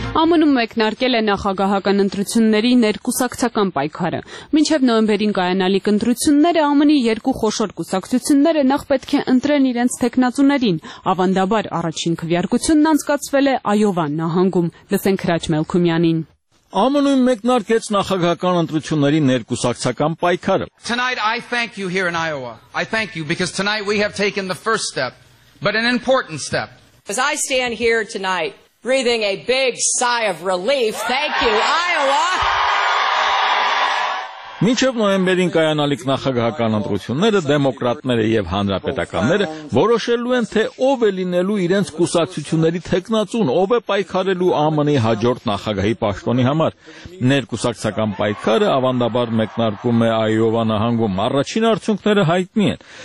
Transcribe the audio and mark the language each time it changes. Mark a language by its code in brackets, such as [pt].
[hy] ԱՄՆ-ում մեկնարկել է նախագահական ընտրությունների ներկուսակցական պայքարը։ Մինչև նոյեմբերին կայանալիք ընտրությունները ԱՄՆ-ի երկու խոշոր կուսակցությունները նախ պետք է ընտրեն իրենց թեկնածուներին։ Ավանդաբար առաջին քվեարկությունն անցկացվել է Այովա նահանգում։ Լսենք Հրաչ Մելքումյանին։ ԱՄՆ-ում մեկնարկեց նախագահական ընտրությունների ներկուսակցական պայքարը։ [en] Tonight I thank you here in Iowa. I thank you because tonight we have taken the first step, but an important step. As I stand here tonight, breathing a big sigh of relief. Thank you, Iowa. [hy] Մինչև նոյեմբերին կայանալիք նախագահական ընտրությունները դեմոկրատները եւ հանրապետականները որոշելու են, թե ով է լինելու իրենց կուսակցությունների թեկնածուն, ով է պայքարելու ԱՄՆ-ի հաջորդ նախագահի պաշտոնի համար։ Ներկուսակցական պայքարը ավանդաբար մեկնարկում է Այովա նահանգում։ Առաջին արդյունքները հայտնի են։